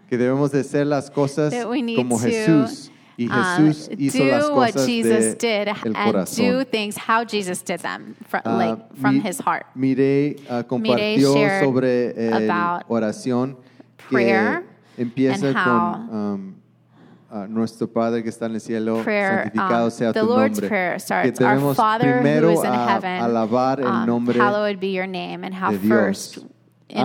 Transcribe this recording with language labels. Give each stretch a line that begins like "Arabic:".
Spanish: Que debemos de hacer las cosas como Jesús. Y Jesús hizo las cosas de el corazón.
English: Do what Jesus did and do things how Jesus did them from his heart.
Spanish: Mireille compartió sobre la oración que empieza con nuestro Padre que está en el cielo, santificado sea tu nombre.
English: The Lord's Prayer starts, our Father
Spanish: primero
English: who is in heaven, hallowed be your name, and how first in